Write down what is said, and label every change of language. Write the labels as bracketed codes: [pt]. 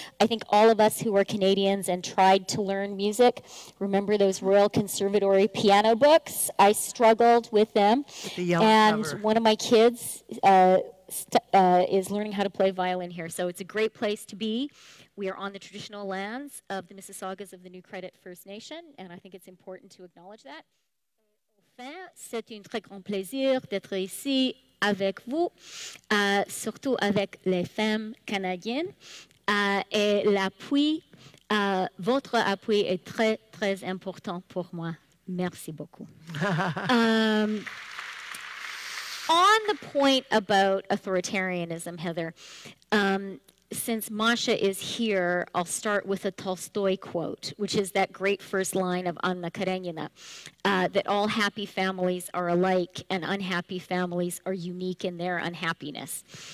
[en] I think all of us who are Canadians and tried to learn music remember those Royal Conservatory piano books. I struggled with them. The yellow cover. One of my kids is learning how to play violin here, so it's a great place to be. We are on the traditional lands of the Mississaugas of the New Credit First Nation, and I think it's important to acknowledge that. [fr] Enfin, c'est un très grand plaisir d'être ici avec vous, surtout avec les femmes canadiennes. Et l'appui, votre appui est très, très important pour moi. Merci beaucoup. [en] On the point about authoritarianism, Heather, since Masha is here, I'll start with a Tolstoy quote, which is that great first line of Anna Karenina, that all happy families are alike and unhappy families are unique in their unhappiness.